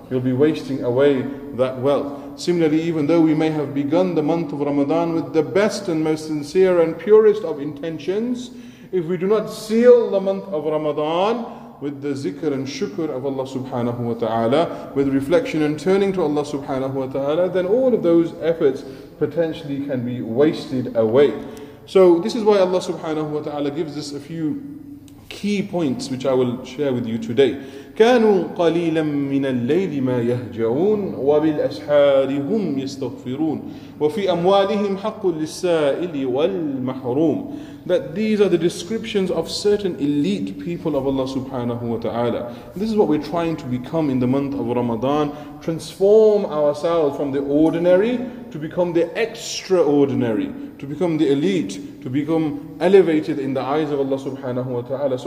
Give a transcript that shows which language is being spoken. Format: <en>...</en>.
<en>You'll be wasting away that wealth. Similarly, even though we may have begun the month of Ramadan with the best and most sincere and purest of intentions, if we do not seal the month of Ramadan with the zikr and shukr of Allah subhanahu wa ta'ala, with reflection and turning to Allah subhanahu wa ta'ala, then all of those efforts potentially can be wasted away. So this is why Allah subhanahu wa ta'ala gives us a few key points which I will share with you today.</en> <ar>كانوا قليلا من الليل ما يهجعون وبالأسحار هم يستغفرون وفي أموالهم حق للسائل والمحروم.</ar> <en>That these are the descriptions of certain elite people of Allah subhanahu wa ta'ala. This is what we're trying to become in the month of Ramadan. Transform ourselves from the ordinary to become the extraordinary, to become the elite, to become elevated in the eyes of Allah subhanahu wa ta'ala.</en>